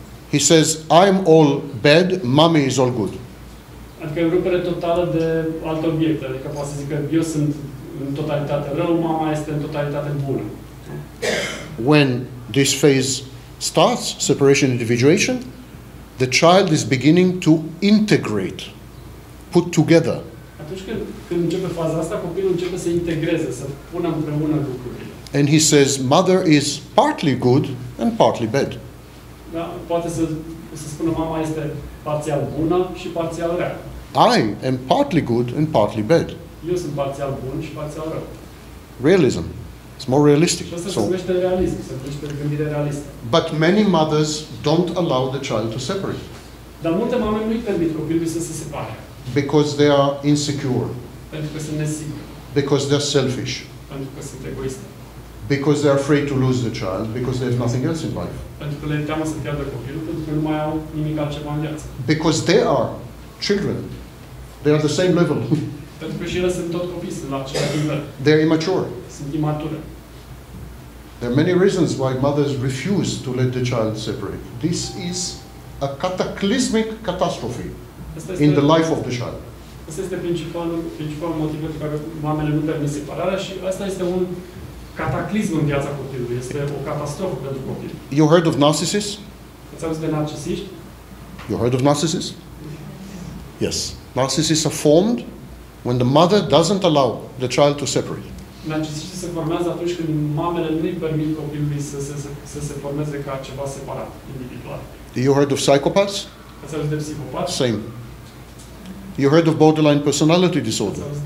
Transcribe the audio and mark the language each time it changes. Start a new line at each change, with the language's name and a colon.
English: He says, I'm all bad, mommy is all good.
Romanian: Adică e o rupere totală de alte obiecte. Adică poate să zic că eu sunt în totalitate rău, mama este în totalitate bună.
English: When this phase starts, separation and individuation, the child is beginning to integrate, put together.
Romanian: Atunci când începe faza asta, copilul începe să integreze, să pună împreună lucrurile.
English: And he says, mother is partly good and partly bad.
Romanian: Da, poate să spună mama este parțial bună și parțial rea.
English: I am partly good and partly bad.
Romanian: Eu sunt parțial bun și parțial rău.
English: Realism. It's more realistic.
Romanian: Și asta se numește realism, se numește gândire realistă.
English: But many mothers don't allow the child to separate.
Romanian: Dar multe mame nu-i permit copilului să se separe.
English: Because they are insecure.
Romanian: Pentru că sunt nesigur.
English: Because they're selfish.
Romanian: Pentru că sunt egoiste.
English: Because they're afraid to lose the child, because they have nothing else in life.
Romanian: Pentru că le teamă să pierdă copilul, pentru că nu mai au nimic altceva în viață.
English: Because they are children. They are the same level.
Romanian: Pentru că și ele sunt tot copii, sunt la același nivel.
English: They're immature.
Romanian: Sunt imature.
English: There are many reasons why mothers refuse to let the child separate. This is a cataclysmic catastrophe in the life of the child.
Romanian: Asta este principalul motiv pentru care mamele nu permit separarea și asta este un cataclism în viața copilului. Este o catastrofă pentru copil.
English: You heard of narcissists?
Romanian: Ați auzit de narcisiști?
English: You heard of narcissists? Yes. Narcissists are formed when the mother doesn't allow the child to separate.
Romanian: Narcisiștii se formează atunci când mamele nu-i permit copilului să se formeze ca ceva separat, individual.
English: You heard of psychopaths?
Romanian: Ați de psihopat?
English: Same. You heard of borderline personality disorder?